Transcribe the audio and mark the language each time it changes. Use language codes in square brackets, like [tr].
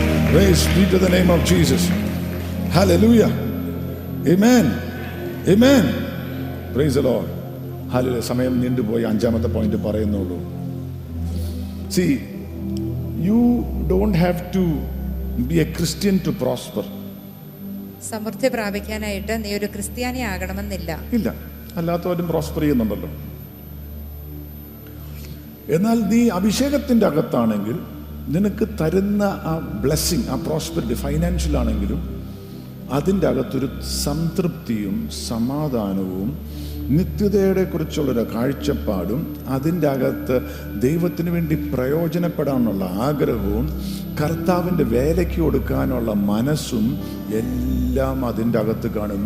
[en] Praise be to the name of Jesus. Hallelujah. Amen. Amen. Praise the lord. Hallelujah. [ml] സമയം നീണ്ടുപോയി, അഞ്ചാമത്തെ point പറയുന്നുള്ളൂ. [en] See, you don't have to be a Christian to prosper. [ml] സമൃദ്ധി പ്രാപിക്കാനായിട്ട് നീ ഒരു ക്രിസ്ത്യാനി ആകണമെന്നില്ല. ഇല്ല, അല്ലാത്തവരും പ്രോസ്പർ ചെയ്യുന്നുണ്ടല്ലോ. എന്നാൽ നീ അഭിഷേകത്തിന്റെ അകത്താണെങ്കിൽ നിനക്ക് തരുന്ന ആ ബ്ലെസ്സിങ്, ആ പ്രോസ്പെരിറ്റി ഫൈനാൻഷ്യൽ ആണെങ്കിലും അതിന്റെ അകത്തൊരു സംതൃപ്തിയും സമാധാനവും നിത്യതയുടെ കുറിച്ചുള്ളൊരു കാഴ്ചപ്പാടും അതിൻ്റെ അകത്ത് ദൈവത്തിന് വേണ്ടി പ്രയോജനപ്പെടാനുള്ള ആഗ്രഹവും കർത്താവിൻ്റെ വേലയ്ക്ക് കൊടുക്കാനുള്ള മനസ്സും എല്ലാം അതിൻ്റെ അകത്ത് കാണും.